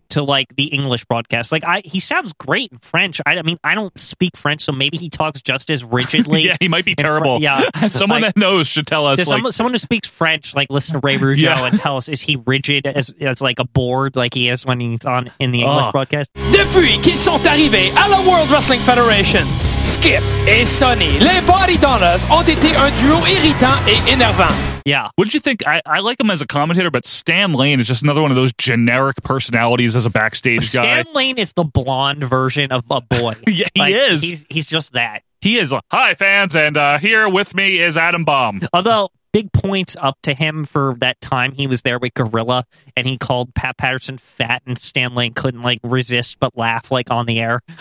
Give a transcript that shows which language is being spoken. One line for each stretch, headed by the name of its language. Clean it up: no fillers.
English: to like the English broadcast. Like, he sounds great in French. I mean, I don't speak French, so maybe he talks just as rigidly. Yeah, he might be terrible. Yeah. Someone that knows should tell us. Someone who speaks French, like, listen to Ray Rougeau yeah. and tell us, is he rigid as like a board like he is when he's on in the English broadcast?
French: Depuis qu'ils sont arrivés à la World Wrestling Federation, Skip et Sonny, les Body Donners, ont été un duo irritant et énervant.
English: Yeah. What did you think? I like him as a commentator, but Stan Lane is just another one of those generic personalities as a backstage Stan guy. Stan Lane is the blonde version of a boy. Yeah, he is. He's just that. He is. Hi, fans, and here with me is Adam Bomb. Although, big points up to him for that time he was there with Gorilla, and he called Pat Patterson fat, and Stan Lane couldn't like resist but laugh like on the air.